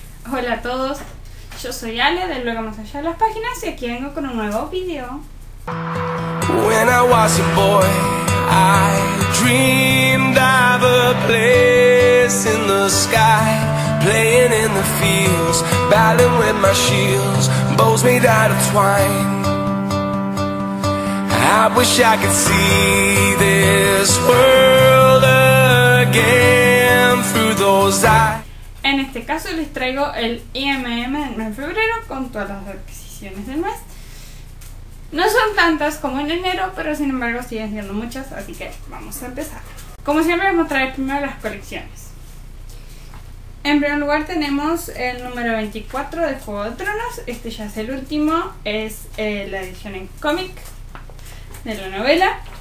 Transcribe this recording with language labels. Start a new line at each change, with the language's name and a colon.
Spanish: Hola a todos, yo soy Ale de Luego Más Allá de las Páginas y aquí vengo con un nuevo video.
English: When I was a boy, I dreamed of a place in the sky, playing in the fields, battling with my shields, bows made out of twine. I wish I could see this world again through those eyes.
Spanish: En este caso les traigo el IMM del mes de febrero con todas las adquisiciones del mes. No son tantas como en enero, pero sin embargo siguen siendo muchas, así que vamos a empezar. Como siempre vamos a traer primero las colecciones. En primer lugar tenemos el número 24 de Juego de Tronos, este ya es el último, es la edición en cómic de la novela.